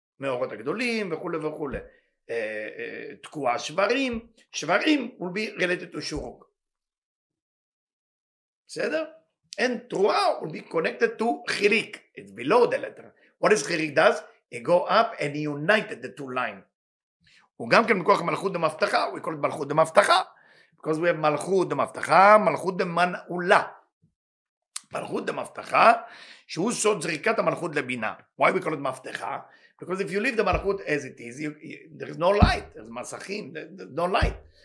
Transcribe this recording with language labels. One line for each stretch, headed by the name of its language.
Hebrew: Me'orot ha'gedolim, v'chule v'chule. Tkua shvarim.
English: Shvarim will be related to shuruk. Seder? And trua will be connected to chirik. It's below the letter. What does chirik does? It go up and he united the two lines.
Hebrew: וגם כן מכוח מלכות המפתחה,
English: we call it
Hebrew: מלכות המפתחה,
English: because we have
Hebrew: מלכות המפתחה, מלכות המנעולה. מלכות המפתחה, שהוא סוד זריקת המלכות לבינה.
English: Why we call it מפתחה? Because if you leave the מלכות as it is, there is no light, there's מסכים, no light.